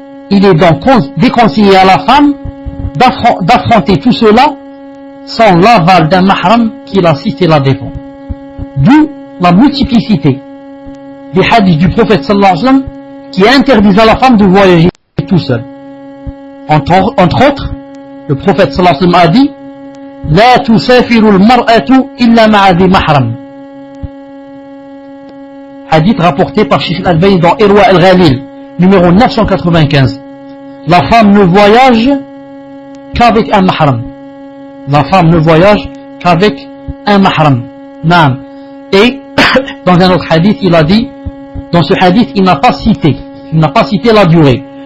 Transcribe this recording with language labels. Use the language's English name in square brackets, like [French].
[French] Il est donc déconseillé à la femme d'affronter tout cela sans l'aval d'un mahram qui l'assiste et la défend. D'où la multiplicité des hadiths du prophète sallallahu alayhi wa sallam qui interdisent à la femme de voyager tout seul. Entre autres, le prophète sallallahu alayhi wa sallam a dit, [Arabic] لا تسافر المرأة إلا مع ذي محرم. [French] حديث rapporté par Cheikh Al-Albani dans Irwa Al-Ghalil numéro 995. La femme ne voyage qu'avec un mahram. La femme ne voyage qu'avec un mahram. Naam. Et dans un autre hadith, il a dit, dans ce hadith, il n'a pas cité la durée.